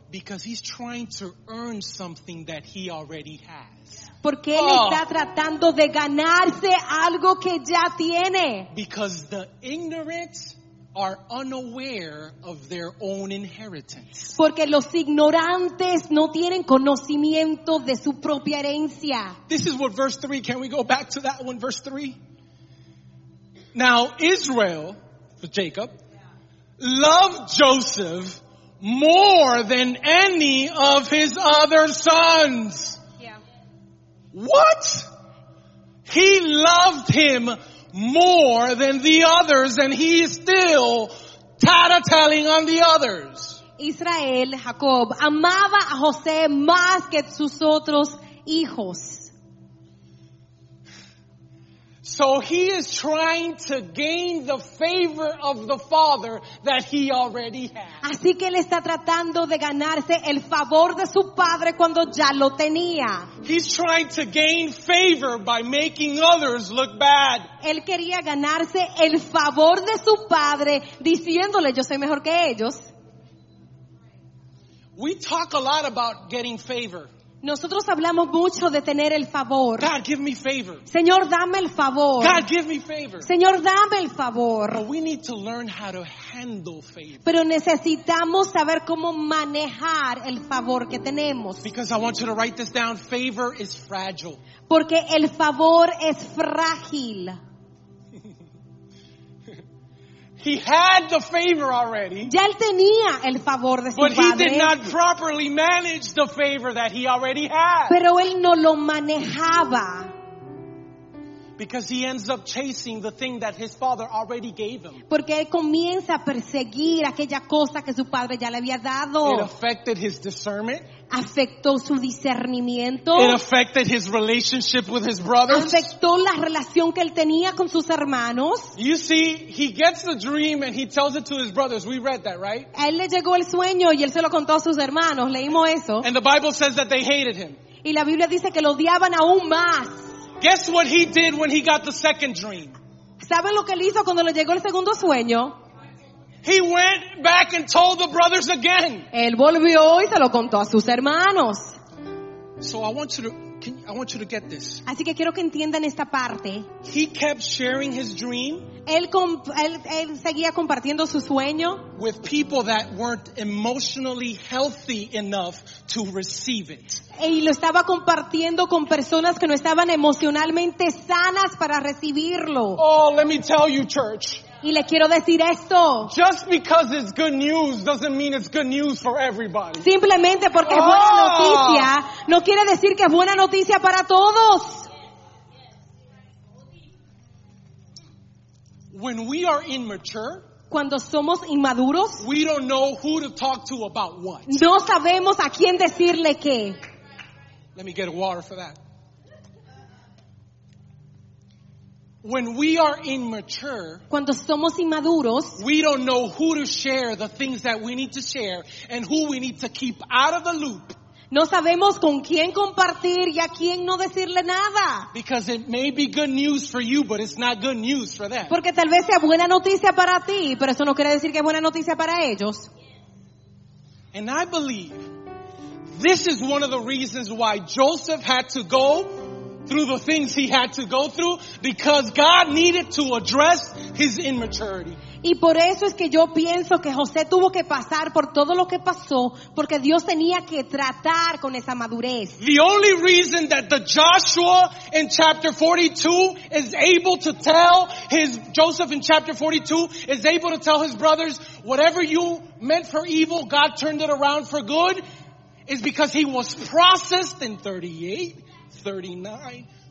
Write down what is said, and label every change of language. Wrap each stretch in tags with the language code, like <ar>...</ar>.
<en>Because he's trying to earn something that he already has.</en> <es>Porque él está tratando de ganarse algo que ya tiene.</es> <en>Because the ignorant are unaware of their own inheritance.</en> <es>Porque los ignorantes no tienen conocimiento de su propia herencia.</es> <en>This is what verse 3, can we go back to that one, verse 3? Now Israel, for Jacob, loved Joseph more than any of his other sons. Yeah. What? He loved him more than the others, and he is still tattletaling on the others.</en> <es>Israel, Jacob, amaba a José más que sus otros hijos.</es> <en>So he is trying to gain the favor of the father that he already has.</en> <es>Así que él está tratando de ganarse el favor de su padre cuando ya lo tenía.</es> <en>He's trying to gain favor by making others look bad.</en> <es>Él quería ganarse el favor de su padre diciéndole, yo soy mejor que ellos.</es> <en>We talk a lot about getting favor.</en> <es>Nosotros hablamos mucho de tener el favor.</es> <en>God, give me favor.</en> <es>Señor, dame el favor.</es> <en>God, give me favor.</en> <es>Señor, dame el favor.</es> <en>But we need to learn how to handle favor.</en> <es>Pero necesitamos saber cómo manejar el favor que tenemos.</es> <en>Because I want you to write this down. Favor is fragile.</en> <es>Porque el favor es frágil.</es> <en>He had the favor already.</en> <es>Ya él tenía el favor de su padre.</es> <en>But he did not properly manage the favor that he already had.</en> <es>Pero él no lo manejaba.</es> <en>Because he ends up chasing the thing that his father already gave him.</en> <es>Porque él comienza a perseguir aquella cosa que su padre ya le había dado.</es> <en>It affected his discernment.</en> <es>Afectó su discernimiento.</es> <en>It affected his relationship with his brothers.</en> <es>Afectó la relación que él tenía con sus hermanos.</es> <en>You see, he gets the dream and he tells it to his brothers. We read that, right?</en> <es>A él le llegó el sueño y él se lo contó a sus hermanos. Leímos eso.</es> <en>And the Bible says that they hated him.</en> <es>Y la Biblia dice que lo odiaban aún más.</es> <en>Guess what he did when he got the second dream?</en> <es>¿Saben lo que él hizo cuando le llegó el segundo sueño?</es> <en>He went back and told the brothers again.</en> <es>Él volvió y se lo contó a sus hermanos.</es> <en>So I want you to get this.</en> <es>Así que quiero que entiendan esta parte.</es> <en>He kept sharing his dream.</en> <es>Él seguía compartiendo su sueño</es> <en>with people that weren't emotionally healthy enough to receive it.</en> <es>Y lo estaba compartiendo con personas que no estaban emocionalmente sanas para recibirlo.</es> <en>Oh, let me tell you, church.</en> <es>Y le quiero decir esto.</es> <en>Just because it's good news doesn't mean it's good news for everybody.</en> <es>Simplemente porque es buena noticia no quiere decir que es buena noticia para todos.</es> <en>When we are immature,</en> <es>cuando somos inmaduros,</es> <en>we don't know who to talk to about what.</en> <es>No sabemos a quién decirle qué.</es> <en>Let me get water for that. When we are immature,</en> <es>cuando somos inmaduros,</es> <en>we don't know who to share the things that we need to share and who we need to keep out of the loop.</en> <es>No sabemos con quién compartir y a quién no decirle nada.</es> <en>Because it may be good news for you, but it's not good news for them.</en> <es>Porque tal vez sea buena noticia para ti, pero eso no quiere decir que es buena noticia para ellos.</es> <en>And I believe this is one of the reasons why Joseph had to go through the things he had to go through, because God needed to address his immaturity.</en> <es>Y por eso es que yo pienso que José tuvo que pasar por todo lo que pasó, porque Dios tenía que tratar con esa madurez.</es> <en>The only reason that the Joshua in chapter 42 is able to tell his, Joseph in chapter 42 is able to tell his brothers, whatever you meant for evil, God turned it around for good, is because he was processed in 38, 39,</en>